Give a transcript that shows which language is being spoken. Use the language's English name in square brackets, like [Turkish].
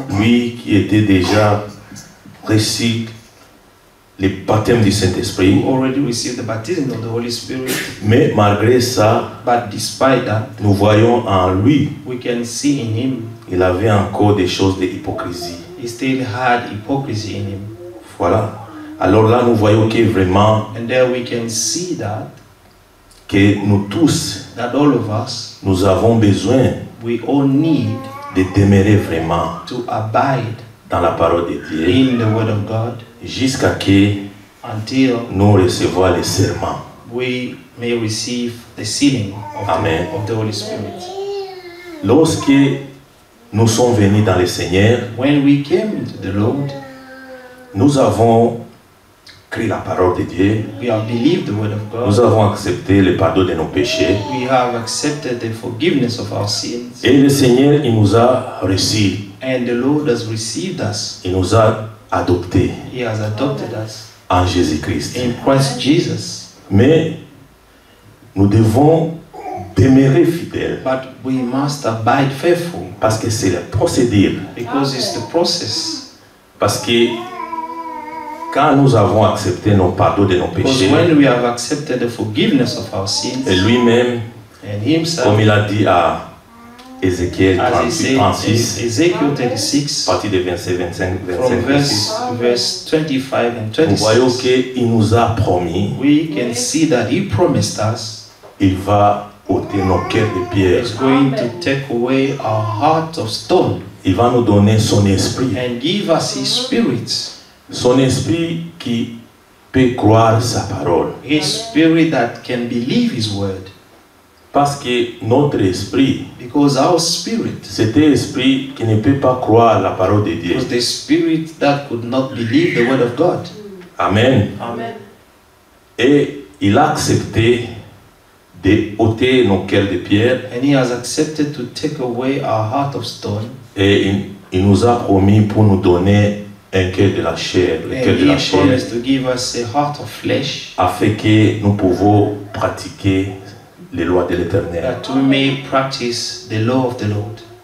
[French] lui qui était déjà précis les baptêmes du Saint-Esprit. [English] Who already received the baptism of the Holy Spirit. [French] Mais malgré ça, [English] but despite that, [French] nous voyons en lui, [English] we can see in him, [French] il avait encore des choses d'hypocrisie. [English] He still had hypocrisy in him. [French] Voilà. Alors là, nous voyons que vraiment, [English] and there we can see that, [French] que nous tous, [English] that all of us, [French] nous avons besoin, [English] we all need, [French] de demeurer vraiment, [English] to abide, [French] dans la parole de Dieu. [English] In the word of God. [French] Jusqu'à que [English] until [French] nous recevons le serment. [English] We may receive the sealing of the Holy Spirit. [French] Lorsque nous sommes venus dans le Seigneur, [English] when we came into the Lord, [French] nous avons cru la parole de Dieu. [English] We have believed the word of God. [French] Nous avons accepté le pardon de nos péchés. [English] We have accepted the forgiveness of our sins. [French] Et le Seigneur, il nous a reçus. [English] And the Lord has received us. [French] Il nous a adopté. [English] He has adopted us [French] en Jésus-Christ. [English] In Christ Jesus. [French] Mais nous devons demeurer fidèle. [English] But we must abide faithful. [French] Parce que c'est le procédure. [English] Because it's the process. [French] Parce que quand nous avons accepté nos pardons de nos péchés, [English] when we have accepted the forgiveness of our sins, [French] et lui-même, [English] and himself, [French] comme il a dit à Ézéchiel 36, partie de verset 25, vous voyez qu'il nous a promis, [English] we can see that he promised us, [French] il va ôter nos cœurs de pierre, [English] he's going to take away our heart of stone, [French] il va nous donner son esprit, [English] and give us his spirit. [French] Son esprit qui peut croire sa parole. [English] His spirit that can believe his word. [French] Parce que notre esprit, [English] because our spirit, [French] cet esprit qui ne peut pas croire la parole de Dieu. [English] Because the spirit that could not believe the word of God. [French] Amen. [English] Amen. [French] Et il a accepté de ôter nos cœurs de pierre. [English] And he has accepted to take away our heart of stone. [French] Et il nous a promis pour nous donner un cœur de la chair, le cœur de la chair. [English] He promised to give us a heart of flesh. [French] Afin que nous pouvons pratiquer les lois de l'Éternel. [English] That we may practice the law of the Lord.